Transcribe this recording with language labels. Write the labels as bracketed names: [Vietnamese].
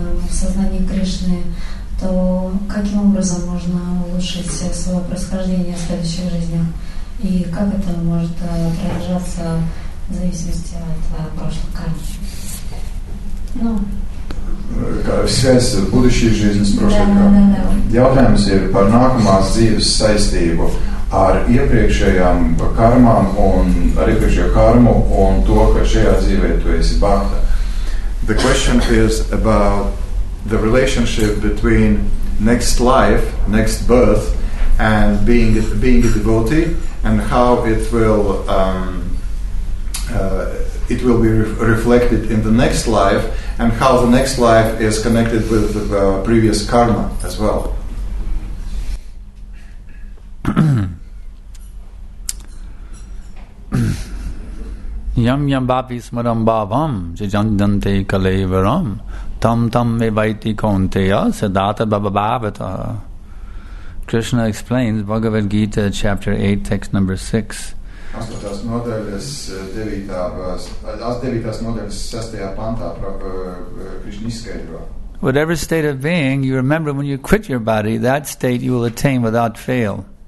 [Russian] сознании Кришны, то каким образом можно улучшить свое происхождение в следующих жизнях? И как это может отражаться в зависимости от прошлых карм? Ну, связь с будущей жизнью, с прошлой кармой. [Latvian] Jautājums ir par nākamās dzīves saistību ar iepriekšējām karmām un ar iepriekšējo karmu un to, ka šajā dzīvē tu esi bhakta. [English] The question is about the relationship between next life, next birth, and being a devotee, and how it will be reflected in the next life, and how the next life is connected with the previous karma as well. [Sanskrit] Yam yam bhavi smaram bhavam jajandante kalevaram tam tam me vaiti konteya sadata bhavabhavata. [English] Krishna explains Bhagavad Gita chapter 8 text number 6. [Latvian] Astotās nodaļas devītās nodaļas sestajā pantā Krishna izskaidro. [English] Whatever state of being you remember when you quit your body, that state you will attain without fail.